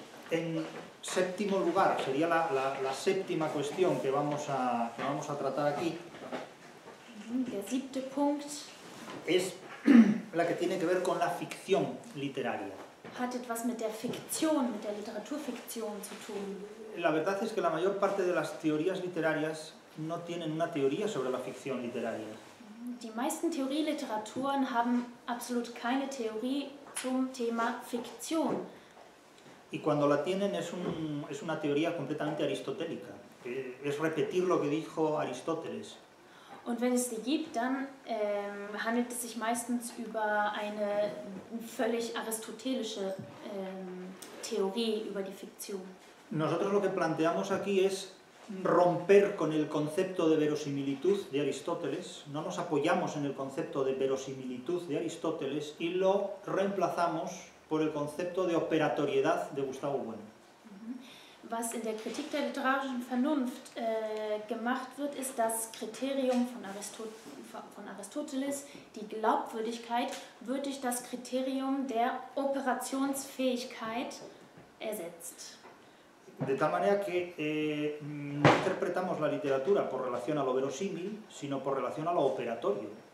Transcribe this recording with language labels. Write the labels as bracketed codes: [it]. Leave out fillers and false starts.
[es] En séptimo lugar, sería la séptima cuestión que vamos a tratar aquí. [de] Der siebte Punkt [es] es la que tiene que ver con la ficción literaria. [de] Hat etwas mit der Fiktion, mit der Literaturfiktion zu tun. [es] La verdad es que la mayor parte de las teorías literarias no tienen una teoría sobre la ficción literaria. [de] Die meisten Theorieliteraturen haben absolut keine Theorie zum Thema Fiktion. [es] Y cuando la tienen es una teoría completamente aristotélica, es repetir lo que dijo Aristóteles. [de] Und wenn es sie gibt, dann handelt es sich meistens über eine völlig aristotelische Theorie über die Fiktion. [es] Nosotros lo que planteamos aquí es romper con el concepto de verosimilitud de Aristóteles. No nos apoyamos en el concepto de verosimilitud de Aristóteles y lo reemplazamos por el concepto de operatoriedad de Gustavo Bueno. [de] Was in der Kritik der literarischen Vernunft gemacht wird, ist das Kriterium von Aristoteles, die Glaubwürdigkeit, wird durch das Kriterium der Operationsfähigkeit ersetzt. [es] De tal manera que no interpretamos la literatura por relación a lo verosímil, sino por relación a lo operatorio.